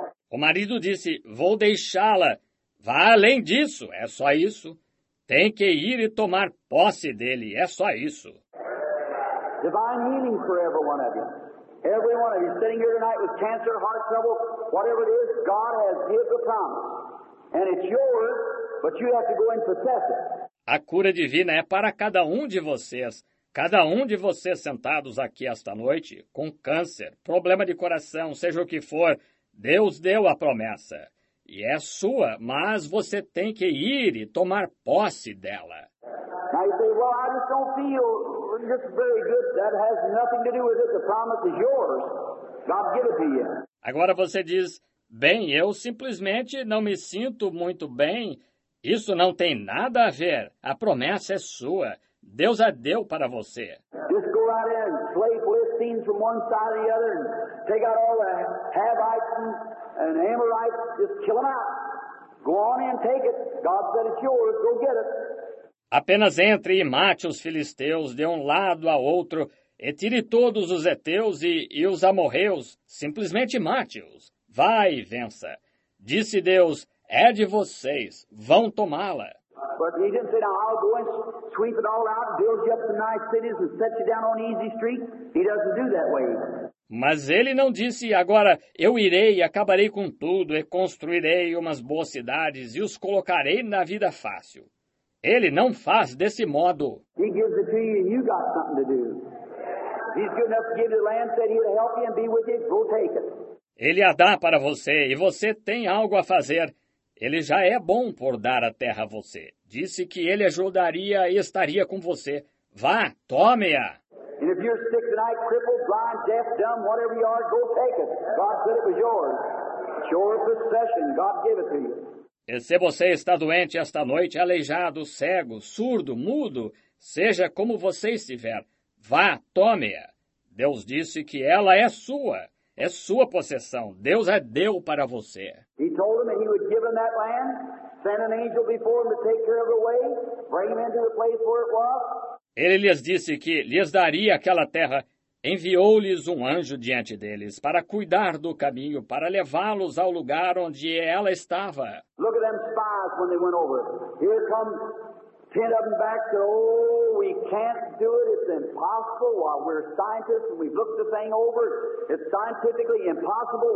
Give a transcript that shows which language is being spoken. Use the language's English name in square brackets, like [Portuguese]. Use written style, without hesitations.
[Portuguese] O marido disse, vou deixá-la. Vá além disso, é só isso. Tem que ir e tomar posse dele, é só isso. [English] Divine healing for every one of you. Every one of you sitting here tonight with cancer, heart trouble, whatever it is, God has given the promise. And it's yours, but you have to go and possess it. [Portuguese] A cura divina é para cada um de vocês. Cada um de vocês sentados aqui esta noite, com câncer, problema de coração, seja o que for, Deus deu a promessa. E é sua, mas você tem que ir e tomar posse dela. [English] Now you say, well, I just don't feel just very good. That has nothing to do with it. The promise is yours. God give it to you. [Portuguese] Agora você diz, bem, eu simplesmente não me sinto muito bem. Isso não tem nada a ver. A promessa é sua. Deus a deu para você. [English] Just go out there and slay Philistines from one side to the other and take out all the Havites and Amorites. Just kill them out. Go on and take it. God said it's yours. Go get it. [Portuguese] Apenas entre e mate os filisteus de um lado a outro e tire todos os heteus e os amorreus. Simplesmente mate-os. Vai e vença. Disse Deus, é de vocês. Vão tomá-la. [English] But he didn't say, I'll go and sweep it all out, build you up some nice cities and set you down on easy streets. He doesn't do that way. [Portuguese] Mas ele não disse, agora eu irei e acabarei com tudo e construirei umas boas cidades e os colocarei na vida fácil. Ele não faz desse modo. [English] He gives it to you and you got something to do. He's good enough to give you the land, said he'll help you and be with you. Go take it. [Portuguese] Ele a dá para você e você tem algo a fazer. Ele já é bom por dar a terra a você. Disse que ele ajudaria e estaria com você. Vá, tome-a. [English] And if you're sick tonight, crippled, blind, deaf, dumb, whatever you are, go take it. God said it was yours. It's your possession. God gave it to you. [Portuguese] E se você está doente esta noite, aleijado, cego, surdo, mudo, seja como você estiver, vá, tome-a. Deus disse que ela é sua. É sua possessão. Deus a deu para você. [English] He told him that he would give him that land, send an angel before him to take care of the way, bring him into the place where it was. [Portuguese] Ele lhes disse que lhes daria aquela terra, enviou-lhes um anjo diante deles para cuidar do caminho, para levá-los ao lugar onde ela estava. [English] Look at them spies when they went over. Here come 10 of them back said, oh, we can't do it. It's impossible. While we're scientists and we've looked the thing over, it's scientifically impossible.